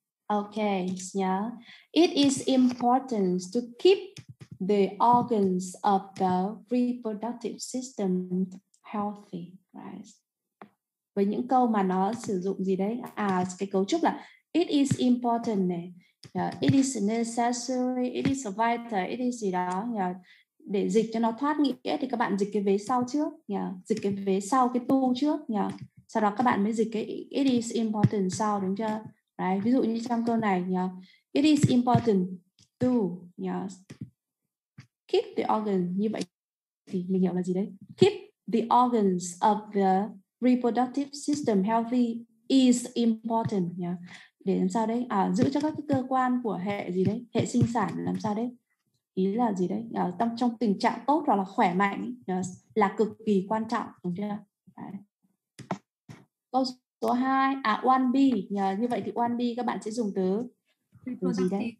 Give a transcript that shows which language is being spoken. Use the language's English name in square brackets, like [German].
[English] Okay, it is important to keep the organs of the reproductive system healthy, right? [Vietnamese] Với những câu mà nó sử dụng gì đấy? Cái cấu trúc là [English] it is important [Vietnamese] này. [English] It is necessary, it is vital, it is [Vietnamese] gì đó. Để dịch cho nó thoát nghĩa thì các bạn dịch cái vế sau trước nhỉ? Dịch cái vế sau cái tu trước nhỉ? Sau đó các bạn mới dịch cái [English] it is important [Vietnamese] sau, đúng chưa? Right. Ví dụ như trong câu này nhỉ? [English] It is important to keep the organ. [Vietnamese] Như vậy thì mình hiểu là gì đấy? [English] Keep the organs of the reproductive system healthy is important nhỉ? [Vietnamese] Để làm sao đấy? Giữ cho các cái cơ quan của hệ gì đấy? Hệ sinh sản làm sao đấy? Ý là gì đấy? Trong tình trạng tốt hoặc là khỏe mạnh là cực kỳ quan trọng, đúng chưa? Đấy. Câu số 2, 1B, như vậy thì 1B các bạn sẽ dùng từ gì đấy?